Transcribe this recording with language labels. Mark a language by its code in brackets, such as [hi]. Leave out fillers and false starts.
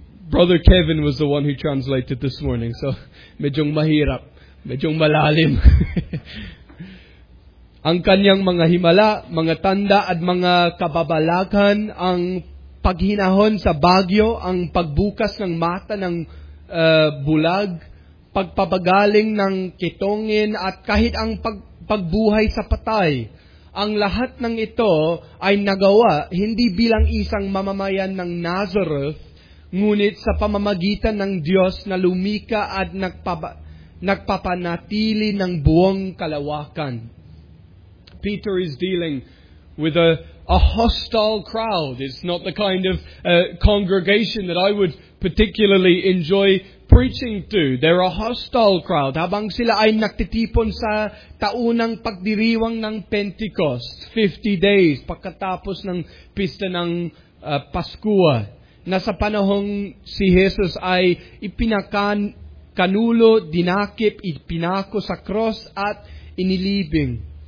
[en] Brother Kevin was the one who translated this morning, so [tl] medyong mahirap, medyong malalim. Ang kanyang mga himala, mga tanda at mga kababalaghan ang paghinahon sa bagyo, ang pagbukas ng mata ng bulag, pagpapagaling ng kitongin at kahit ang pagbuhay sa patay. Ang lahat ng ito ay nagawa hindi bilang isang mamamayan ng Nazareth, ngunit sa pamamagitan ng Diyos na lumika at nagpapanatili ng buong kalawakan. [en] Peter is dealing with a hostile crowd. It's not the kind of congregation that I would particularly enjoy preaching to. They're a hostile crowd. [tl] Habang sila ay nagtitipon sa taunang pagdiriwang ng Pentecost, 50 days pagkatapos ng pista ng Paskua, na sa panahong si Jesus ay ipinakanulo, dinakip, ipinako sa cross at inilibing.